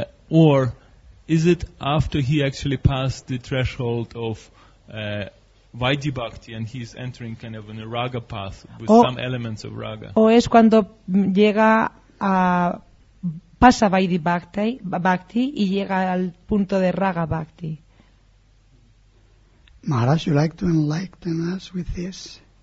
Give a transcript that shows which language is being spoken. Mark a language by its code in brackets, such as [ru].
[en] Or is it after he actually passed the threshold of Vaidhi Bhakti and he's entering kind of in a raga path with some elements of raga? [es] O es cuando llega a pasa Vaidhi Bhakti y llega al punto de raga Bhakti. [en] Maharaj, you like to enlighten us with this?